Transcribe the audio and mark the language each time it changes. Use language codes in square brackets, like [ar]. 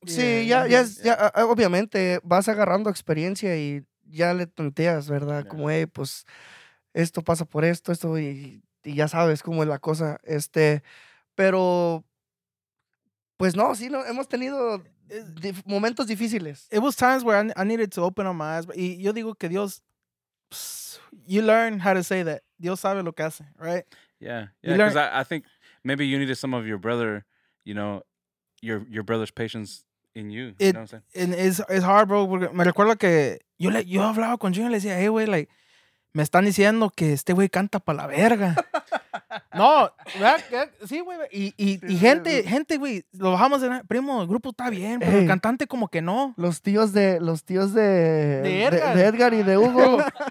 [es] Sí, ya, obviamente, vas agarrando experiencia y ya le tanteas, ¿verdad? Yeah. Como, hey, pues, esto pasa por esto, y ya sabes cómo es la cosa. Pero, pues no, sí, no, hemos tenido momentos difíciles. [en] It was times where I needed to open up my eyes. [es] Y yo digo que Dios, [en] you learn how to say that. [es] Dios sabe lo que hace, right? [en] Yeah, because I think maybe you needed some of your brother, you know, your brother's patience in you. It's hard, bro. [es] Me recuerdo que yo hablaba con Junior y le decía, hey, güey, like, me están diciendo que este güey canta pa' la verga. No, sí, güey. Y gente, güey, lo bajamos de nada. Primo, el grupo está bien, pero el cantante como que no. Los tíos de Edgar y de Hugo.